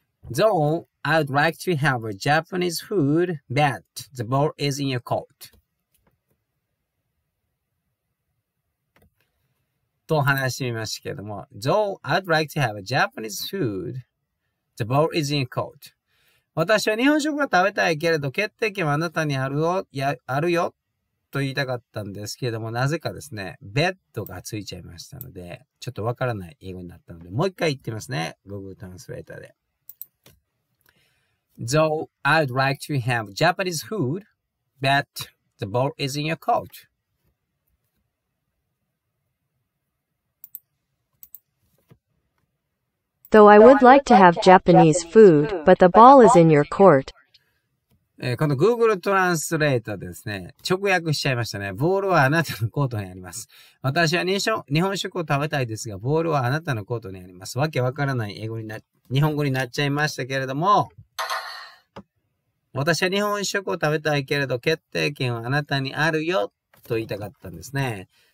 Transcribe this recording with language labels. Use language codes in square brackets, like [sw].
[en] Though I would like to have a Japanese food, but the ball is in your court. [ja] と話してみましたけども、 [en] Though I'd like to have a Japanese food, the ball is in your court. [ja] 私は日本食が食べたいけれど、決定権はあなたにあるよ、あるよ、と言いたかったんですけども、なぜかですね、ベッドがついちゃいましたので、ちょっとわからない英語になったので、もう一回言ってみますね、Google Translator で。 [en] Though I'd like to have Japanese food, but the ball is in your court. Though I would like to have Japanese food, but the ball is in your court. [ja] この Google Translator ですね、直訳しちゃいましたね。ボールはあなたのコートにあります。私は日本食を食べたいですが、ボールはあなたのコートにあります。わけわからない英語にな、日本語になっちゃいましたけれども、私は日本食を食べたいけれど、決定権はあなたにあるよ、と言いたかったんですね。